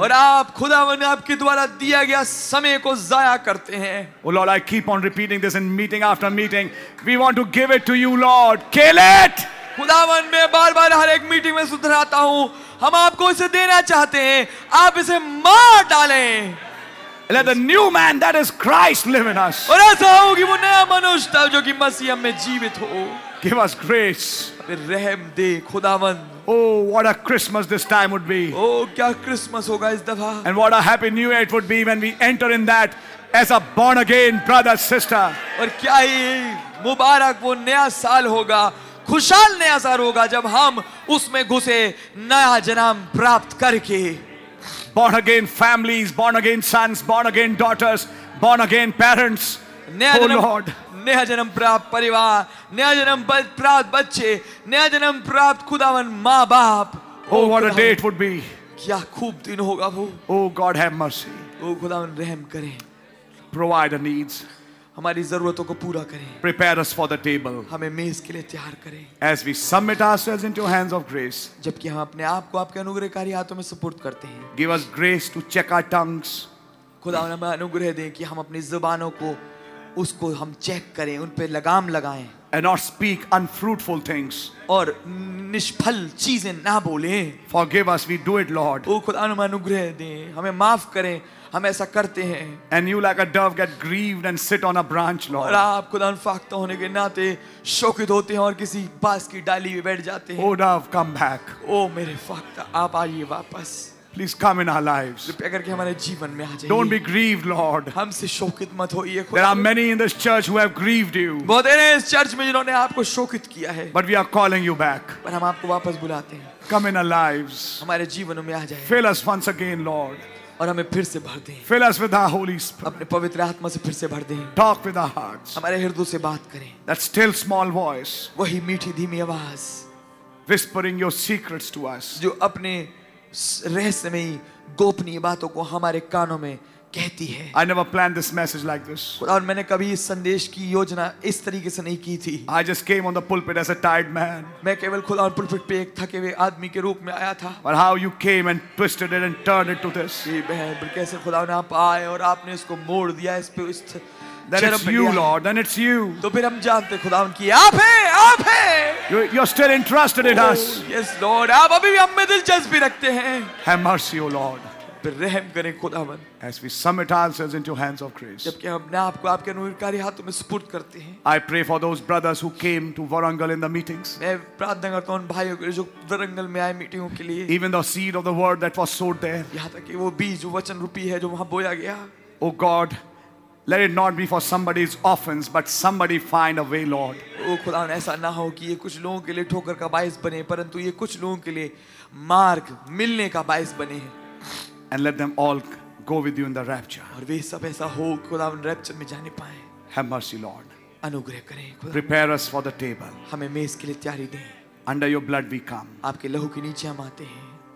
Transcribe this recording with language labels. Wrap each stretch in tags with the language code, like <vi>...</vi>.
<hi>और आप खुदावन आपके द्वारा दिया गया समय को जाया करते हैं.</hi> <en>Oh Lord, I keep on repeating this in meeting after meeting. We want to give it to you, Lord. Kill it.</en> <hi>खुदावन में बार बार हर एक मीटिंग में सुधराता हूं हम आपको इसे देना चाहते हैं आप इसे मार डालें.</hi> <en>Let the new man that is Christ live in us.</en> <hi>और ऐसा हो कि वो नया मनुष्य था जो कि मसीह में जीवित हो.</hi> <en>Give us grace.</en> <hi>अबे रहम दे खुदावन.</hi> <en>Oh, what a Christmas this time would be.</en> <hi>Oh, क्या क्रिसमस होगा इस दफा.</hi> <en>And what a happy new year it would be when we enter in that as a born again brother sister.</en> <hi>और क्या ही मुबारक वो नया साल होगा खुशहाल नया साल होगा जब हम उसमें घुसे नया जन्म प्राप्त करके.</hi> <en>Born again families, born again sons, born again daughters, born again parents.</en> <hi>नया जन्म, Lord. नया जन्म प्राप्त परिवार, नया जन्म प्राप्त बच्चे, नया जन्म प्राप्त खुदावन माँ बाप.</hi> <en>Oh, what a day it would be.</en> <hi>क्या खूब दिन होगा वो.</hi> <en>Oh, God have mercy.</en> <hi>Oh, खुदावन रहम करें.</hi> <en>Provide our needs.</en> <hi>हमारी जरूरतों को पूरा करें.</hi> <en>Prepare us for the table.</en> <hi>हमें मेज के लिए तैयार करें.</hi> <en>As we submit ourselves into hands of grace.</en> <hi>जबकि हम अपने आप को आपके अनुग्रहकारी हाथों में सुपुर्द करते हैं.</hi> <en>Give us grace to check our tongues.</en> <hi>खुदा हमें अनुग्रह दे कि हम अपनी जुबानों को उसको हम चेक करें उन पे लगाम लगाएं.</hi> <en>And not speak unfruitful things.</en> <hi>और निष्फल चीजें ना बोलें.</hi> <en>Forgive us, we do it, Lord.</en> <hi>ओ खुदा हमें अनुग्रह दे हमें माफ करें हम ऐसा करते हैं.</hi> <en>And you like a dove get grieved and sit on a branch, Lord.</en> <hi>और आप खुदावन फाख्ता होने के नाते शोकित होते हैं और किसी बास की डाली में बैठ जाते हैं.</hi> <en>Oh dove, come back.</en> <hi>Oh मेरे फाख्ता, आप आइए वापस.</hi> <en>Please come in our lives.</en> <hi>कृपया करके हमारे जीवन में आ जाइए.</hi> <en>Don't be grieved, Lord.</en> <hi>हमसे शोकित मत होइए.</hi> <en>There are many in this church who have grieved you.</en> <hi>बहुत हैं इस चर्च में जिन्होंने आपको शोकित किया है.</hi> <en>But we are calling you back.</en> <hi>पर हम आपको वापस बुलाते हैं.</hi> <en>Come in our lives.</en> <hi>हमारे जीवनों में आ जाइए.</hi> <en>Fill us once again, Lord.</en> <hi>और हमें फिर से भर दें.</hi> <en>Fill us with the Holy Spirit.</en> <hi>अपने पवित्र आत्मा से फिर से भर दें.</hi> <en>Talk with our hearts.</en> <hi>हमारे हृदयों से बात करें.</hi> <en>That still small voice.</en> <hi>वही मीठी धीमी आवाज.</hi> <en>Whispering your secrets to us.</en> <hi>जो अपने रहस्य में ही गोपनीय बातों को हमारे कानों में कहती है.</hi> <en>I never planned this message like this.</en> <hi>और मैंने कभी इस संदेश की योजना इस तरीके से नहीं की थी.</hi> <en>I just came on the pulpit as a tired man.</en> <hi>मैं केवल खुदा और पुलपिट पे एक थके हुए आदमी के रूप में आया था.</hi> <en>But how you came and twisted it and turned it to this.</en> <hi>ये बहन पर कैसे खुदा ने आप आए और आपने इसको मोड़ दिया इस पे इस थ...</hi> <en>Then it's you, Lord. Then it's you.</en> <hi>तो फिर हम जानते खुदावन की आप हैं, आप हैं.</hi> <en>You're still interested in us. Yes, Lord.</en> <hi>आप अभी भी हम में दिलचस्पी रखते हैं.</hi> <en>Have mercy, O Lord.</en> <hi>रहम करें खुदावन.</hi> <en>As we submit ourselves into hands of grace.</en> <hi>जबकि हम अपने आप को आपके अनुग्रहकारी हाथों में सुपुर्द करते हैं.</hi> <en>I pray for those brothers who came to Warangal in the meetings.</en> <hi>मैं प्रार्थना करता हूँ भाइयों के जो वरंगल में आए मीटिंगों के लिए.</hi> <en>Even the seed of the word that was sowed there.</en> <hi>यहाँ तक कि वो बीज जो वचन रूपी है जो वहाँ बोया गया.</hi> <en>O God. Let it not be for somebody's offense, but somebody find a way, Lord.</en> <hi>Oh, खुदा ऐसा ना हो कि ये कुछ लोगों के लिए ठोकर का बायस बने, परंतु ये कुछ लोगों के लिए मार्ग मिलने का बायस बने हैं.</hi> <en>And let them all go with you in the rapture.</en> <hi>और वे सब ऐसा हो खुदा रैप्चर में जाने पाएं.</hi> <en>Have mercy, Lord.</en> <hi>अनुग्रह करें.</hi> <en>Prepare us for the table.</en> <hi>हमें मेज के लिए तैयारी दें.</hi> <en>Under your blood we come.</en> <hi>आपके लहू के नीचे हम आते हैं.</hi>